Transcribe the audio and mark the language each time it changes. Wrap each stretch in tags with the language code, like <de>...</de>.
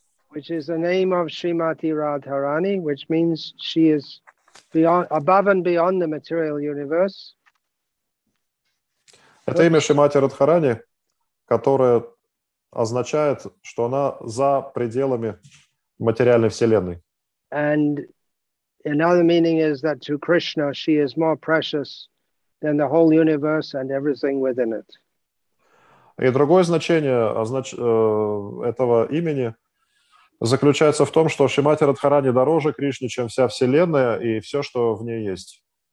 <en>Which is the name of Srimati Radharani, which means she is beyond, above and beyond the material universe.</en> <ru>Это имя Шримати Радхарани, которое означает, что она за пределами материальной вселенной.</ru> <en>And another meaning is that to Krishna she is more precious than the whole universe and everything within it.</en> <ru>И другое значение этого имени заключается в том, что Шримати Радхарани дороже Кришне, чем вся вселенная и все, что в ней есть.</ru>